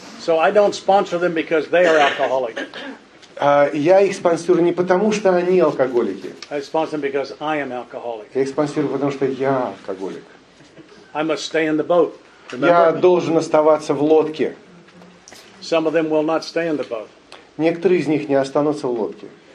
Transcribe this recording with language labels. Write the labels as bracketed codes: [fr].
[en] So I don't sponsor them because they are alcoholics. [ru] Я их спонсирую не потому, что они алкоголики. Я их спонсирую, потому что я алкоголик. [en] I must stay in the boat, [ru] я должен оставаться в лодке. [en] Some of them will not stay in the boat. [ru] Некоторые из них не останутся в лодке.